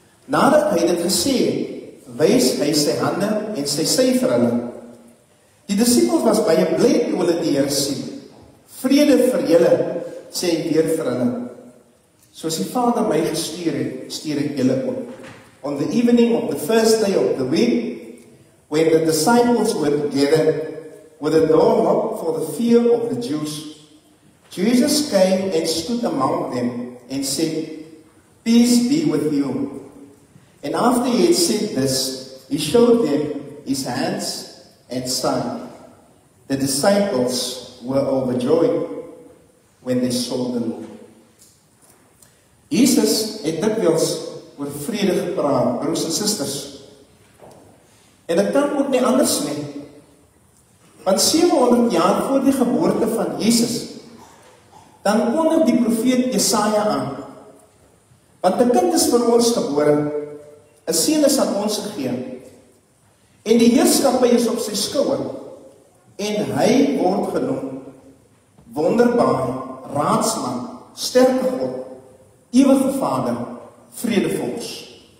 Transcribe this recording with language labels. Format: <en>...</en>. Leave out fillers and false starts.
<af>Nadat hy dit gesê het, wys hy sy hande en sy sy vir hulle. Die disippels was baie bly toe hulle die Here sien. Vrede vir julle, sê hy weer vir hulle. Soos die Vader my gestuur het, stuur ek julle op.</af> <en>On the evening of the first day of the week, when the disciples were together, with a door locked for the fear of the Jews, Jesus came and stood among them and said, peace be with you. And after he had said this, he showed them his hands and side. The disciples were overjoyed when they saw the Lord.</en> <af>Jesus het dikwels oor vrede gepraat, broers en susters. En dit kan ook nie anders nie. Want 700 jaar voor die geboorte van Jesus, dan kondig die profeet Jesaja aan. Want 'n kind is vir ons gebore, 'n seun is aan ons gegee. En die heerskappy is op sy skouer. En hy word genoem Wonderbaar, Raadsman, Sterke God, Ewige Vader, Vredevors.</af>